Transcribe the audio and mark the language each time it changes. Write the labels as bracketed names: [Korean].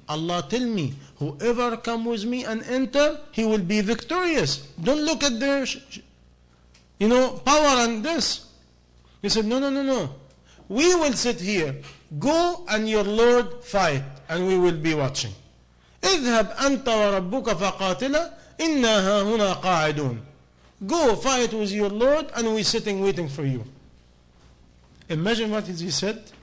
[English] Allah tell me, whoever come with me and enter, he will be victorious. Don't look at their, you know, power and this. He said, no. We will sit here. Go and your Lord fight, and we will be watching. [Arabic] اذهب أنت وربك فقاتلا إنا هنا قاعدون. [English] Go fight with your Lord, and we're sitting waiting for you. Imagine what he said.